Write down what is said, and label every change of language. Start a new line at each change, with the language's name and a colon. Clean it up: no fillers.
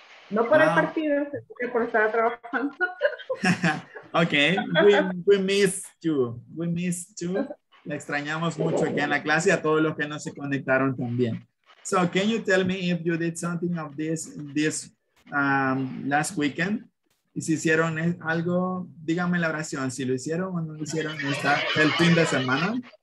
Spanish: No por el partido, sino por estar trabajando.
English: Okay, we missed you. We missed you.
Spanish: Le extrañamos mucho aquí en la clase a todos los que no se conectaron también.
English: So, can you tell me if you did something of this last weekend?
Spanish: ¿Y si hicieron algo? Dígame la oración, si lo hicieron o no lo hicieron esta, el fin de semana.